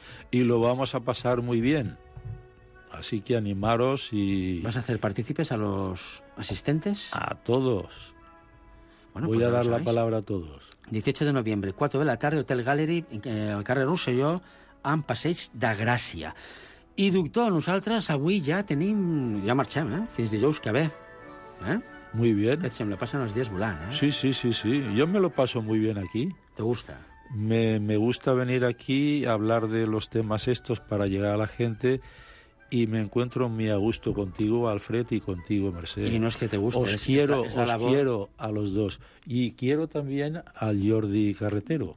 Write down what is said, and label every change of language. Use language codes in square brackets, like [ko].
[es] Y lo vamos a pasar muy bien. Así que animaros y... ¿Vas a hacer partícipes a los asistentes? A todos. Bueno, voy pues a dar la palabra a todos. 18 de noviembre, 4 de la tarde, Hotel Gallery, al carrer Rosselló, en Passeig de Gràcia. [ca] I, doctor, nosaltres avui ja tenim... Ja marxem, eh? Fins dijous que ve. [es] Muy bien. [ca] Què et sembla? Passen els dies volant, eh? Sí. [es] Jo me lo paso muy bien aquí. ¿Te gusta? Me gusta venir aquí a hablar de los temas estos para llegar a la gente... Y me encuentro muy a gusto contigo, Alfred, y contigo, Mercedes. Y no es que te guste. Os quiero a los dos. Y quiero también al Jordi Carretero.